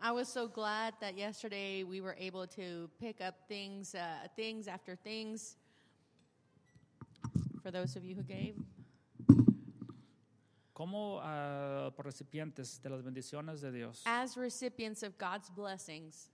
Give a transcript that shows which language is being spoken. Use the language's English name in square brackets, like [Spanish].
[English] I was so glad that yesterday we were able to pick up things, things after things. For those of you who gave. [Spanish] Como por recipientes de las bendiciones de Dios. [English] As recipients of God's blessings.